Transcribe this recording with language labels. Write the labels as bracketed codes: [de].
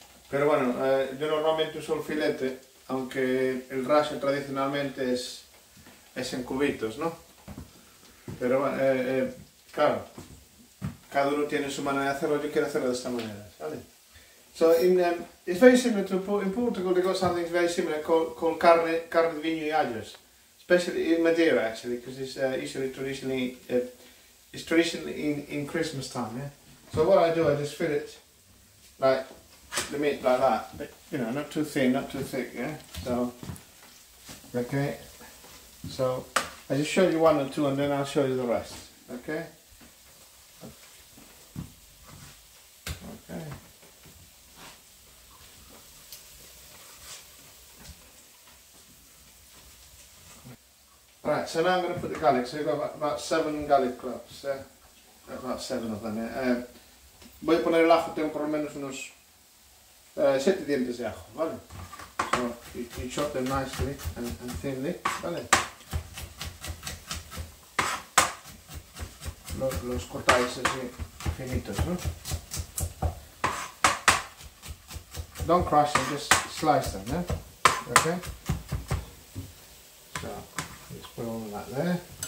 [es] Pero bueno, yo normalmente uso el filete, aunque el raxo tradicionalmente es en cubitos, ¿no? Pero bueno, claro, cada uno tiene su manera de hacerlo, yo quiero hacerlo de esta manera, ¿vale? [en] So it's very similar to in Portugal, they got something very similar called carne de vinho y ajos. Especially in Madeira, actually, because it's usually traditionally in Christmas time, yeah? So what I do, I just fillet like the meat like that, but, you know, not too thin, not too thick, yeah? So, okay, so I just show you one or two and then I'll show you the rest, okay? Right, so now I'm going to put the garlic. So you've got about 7 garlic cloves, about 7 of them. [es] Voy a poner el ajo, tengo por lo menos unos 7 dientes de ajo, vale? [en] So you chop them nicely and thinly, vale? [es] Los cortáis así, finitos, ¿no? [en] Don't crush them, just slice them, yeah? Okay? Put all that there.